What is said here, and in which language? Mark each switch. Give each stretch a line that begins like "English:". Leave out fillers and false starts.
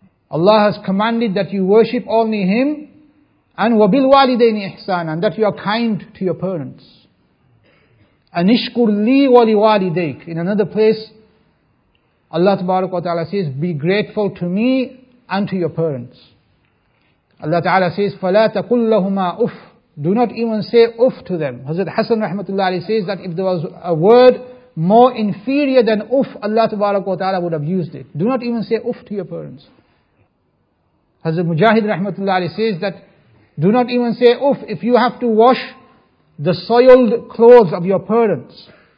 English: Allah has commanded that you worship only Him, and
Arabic: وَبِالْوَالِدَيْنِ إِحْسَانًا,
English: that you are kind to your parents.
Arabic: أَنِشْكُرْ لِي وَلِوَالِدَيْكَ.
English: In another place, Allah tabarak wa ta'ala says, be grateful to me and to your parents. Allah ta'ala says,
Arabic: فَلَا تَقُلْ لَهُمَا أُفْ.
English: Do not even say uff to them. Hazrat Hassan rahmatullah alayhi says that if there was a word more inferior than uff, Allah tabarak wa ta'ala would have used it. Do not even say uff to your parents. Hazrat Mujahid rahmatullah alayhi says that do not even say uff if you have to wash the soiled clothes of your parents.